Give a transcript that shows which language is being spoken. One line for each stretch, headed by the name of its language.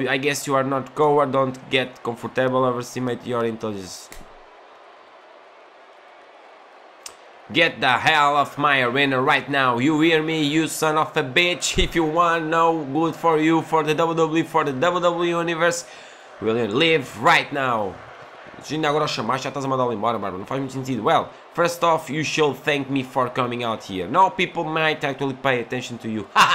English: I guess you are not coward. Don't get comfortable, overestimate your intelligence. Get the hell off my arena right now, you hear me, you son of a bitch. If you want no good for you, for the WWE, for the WWE Universe, will you leave right now?
Portuguese: Se ainda agora o chamaste, já estás a mandá-lo embora, Bárbaro, não faz muito sentido.
English: Well, first off, you should thank me for coming out here. Now people might actually pay attention to you.